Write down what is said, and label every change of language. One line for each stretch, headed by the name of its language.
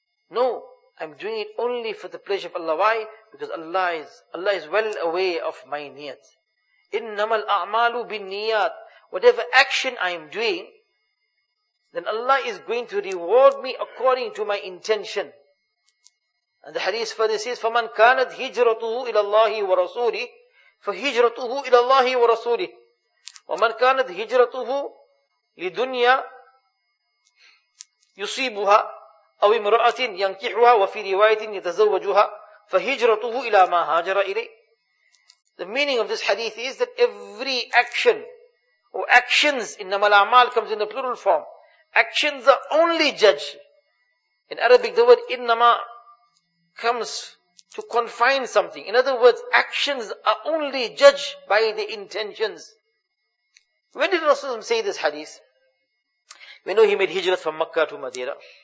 English: No, I'm doing it only for the pleasure of Allah. Why? Because Allah is well aware of my niyat.
Arabic: إِنَّمَا الْأَعْمَالُ بِالنِّيَاتِ
English: Whatever action I am doing, then Allah is going to reward me according to my intention. And the hadith further says,
Arabic: فَمَنْ كَانَتْ هِجْرَتُهُ إِلَى اللَّهِ وَرَسُولِهِ فَهِجْرَتُهُ إِلَى اللَّهِ وَرَسُولِهِ وَمَنْ كَانَتْ هِجْرَتُهُ لِدُنْيَا يُصِيبُهَا أَوْ امْرَأَةٍ يَنْكِحُهَا وَفِي رِوَايَةٍ يَتَزَوَّجُهَا فَهِجْرَتُهُ إِلَى مَا هَاجَرَ إِلَيْهِ
English: The meaning of this hadith is that every action or actions, innama al-a'mal comes in the plural form. Actions are only judged. In Arabic, the word innama comes to confine something. In other words, actions are only judged by the intentions. When did Rasulullah say this hadith? We know he made hijrat from Makkah to Madinah.